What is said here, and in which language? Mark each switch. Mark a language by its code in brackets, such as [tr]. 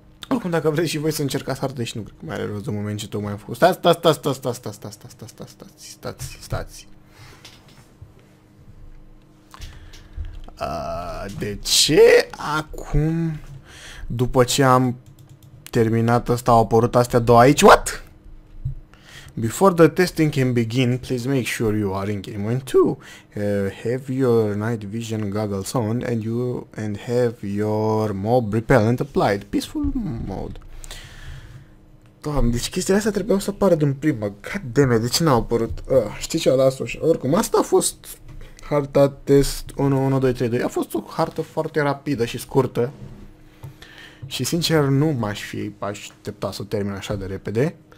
[ro] Oricum, dacă vreți și voi să încercați hardware și nu cred că mai are rost în moment ce tocmai am făcut. Stați, stați, stați, stați, stați, stați, stați, stați, stați, stați, stați, stați. De ce acum, după ce am terminat asta, au apărut astea două aici? [en] What? Before the testing can begin, please make sure you are in game mode 2. Have your night vision goggles on and you and have your mob repellent applied. Peaceful mode. [ro] Doamne, deci chestia asta trebuia să apară din prima. [en] God damn it, [ro] de ce n-au apărut? Știi ce, las-o. Oricum, asta a fost harta test 1, 1, 2, 3, 2. A fost o hartă foarte rapidă și scurtă. Și sincer, nu m-aș fi așteptat să o termin așa de repede.